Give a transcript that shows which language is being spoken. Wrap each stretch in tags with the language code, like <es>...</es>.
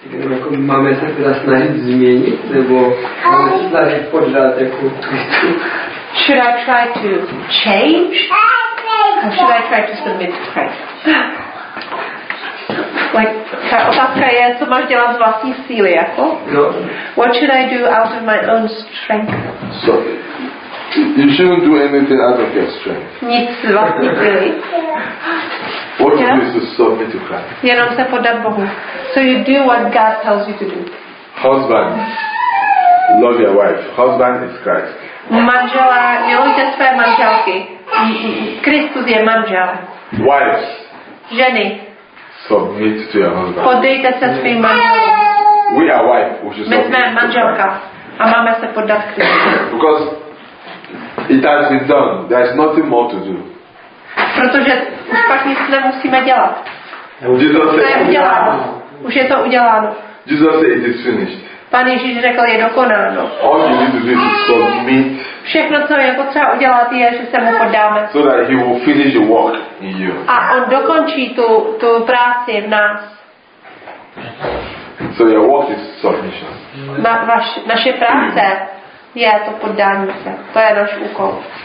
<cs>Jako máme se teda snažit změnit, nebo máme se snažit poddat jako Kristu?</cs> <en>Should I try to change? Or should I try to submit to Christ?</en> <cs>Like, ta otázka je, co máš dělat z vlastní síly, jako?</cs> <en>No. What should I do out of my own strength? So, you shouldn't do anything out of your strength.</en> <cs>Nic z vlastní síly.</cs> <en>What do you do to submit to Christ?</en> <cs>Jenom se poddat Bohu.</cs> <en>So you do what God tells you to do. Husband, love your wife. Husband is Christ.</en> <cs>Manžela, milujte své manželky. Kristus je manžel.</cs> <en>Wives.</en> <cs>Ženy.</cs> <en>Submit to your husband.</en> <cs>Poddejte se svým manželům.</cs> <en>We are wife, which is</en> <cs>submit. My jsme manželka a máme se poddat Kristu.</cs> <en>Because it has been done. There is nothing more to do.</en> <cs>Protože už pak nic nemusíme dělat.</cs> <en>Jesus</en> <cs>to je uděláno. Už je to uděláno.</cs> <en>Jesus said it is finished.</en> <cs>Pán Ježíš řekl, je dokonáno.</cs> <en>All you need to do is submit.</en> <cs>Všechno, co je potřeba udělat, je, že se mu poddáme.</cs> <en>So that he will finish the work in you.</en> <cs>A on dokončí tu práci v nás.</cs> <en>So your work is submission.</en> <cs>Naše práce je to poddání se. To je náš úkol.</cs>